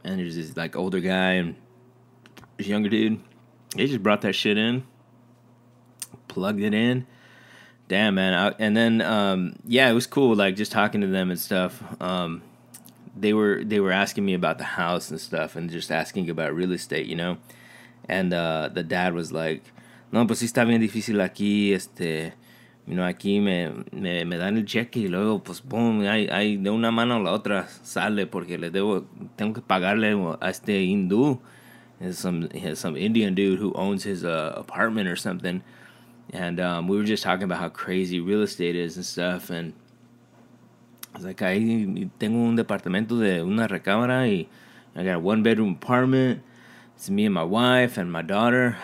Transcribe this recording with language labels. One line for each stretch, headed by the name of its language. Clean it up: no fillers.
English: And there's this, like, older guy and this younger dude. They just brought that shit in. Plugged it in. Damn, man. It was cool, like, just talking to them and stuff. They were asking me about the house and stuff and just asking about real estate, you know? And the dad was like,
Spanish: no, pues sí está bien difícil aquí,
English: you know,
Spanish: aquí me dan el cheque y luego, pues, boom, hay de una mano a la otra sale porque le debo, tengo que pagarle a este hindú.
English: Some Indian dude who owns his apartment or something. And we were just talking about how crazy real estate is and stuff. And I was like, I
Spanish: tengo un departamento de una recámara. Y
English: I got a one-bedroom apartment. It's me and my wife and my daughter.